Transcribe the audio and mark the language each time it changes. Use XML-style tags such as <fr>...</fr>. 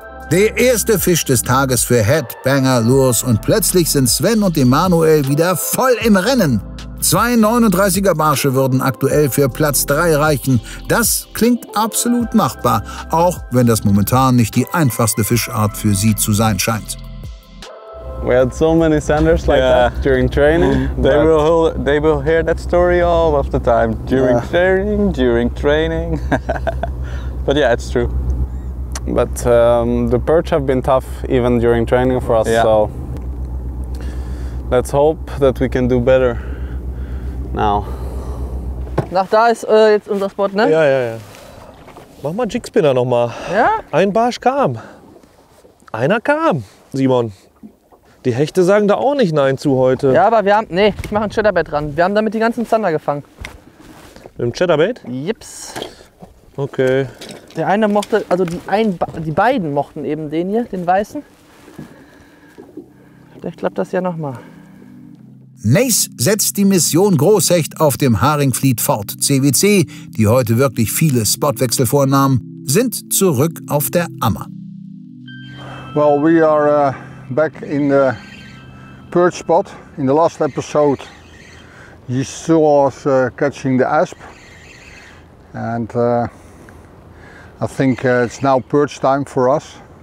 <de>Der erste Fisch des Tages für Headbanger Lures und plötzlich sind Sven und Emanuel wieder voll im Rennen. Zwei 39er Barsche würden aktuell für Platz 3 reichen. Das klingt absolut machbar, auch wenn das momentan nicht die einfachste Fischart für sie zu sein scheint.</de> <en>We had so many sanders like that during training. They will hear that story all of the time during training, during training. But yeah, it's true. But the perch have been tough even during training for us, so let's hope that we can do better. Now.</en> <de>Nach da ist jetzt unser Spot, ne? Ja. Mach mal Jigspinner nochmal. Ja? Ein Barsch kam. Einer kam, Simon. Die Hechte sagen da auch nicht nein zu heute. Ja, aber wir haben. Nee, ich mach ein Cheddarbait dran. Wir haben damit die ganzen Zander gefangen. Mit dem Cheddarbait? Jips. Okay. Der eine mochte. Also die beiden mochten eben den hier, den weißen. Vielleicht klappt das ja nochmal. Nace setzt die Mission Großhecht auf dem Haringfleet fort. CWC, die heute wirklich viele Spotwechsel vornahm, sind zurück auf der Ammer.</de> <en>Well, we are back in the perch spot. In the last episode, you saw us catching the asp. And I think it's now perch time for us.</en>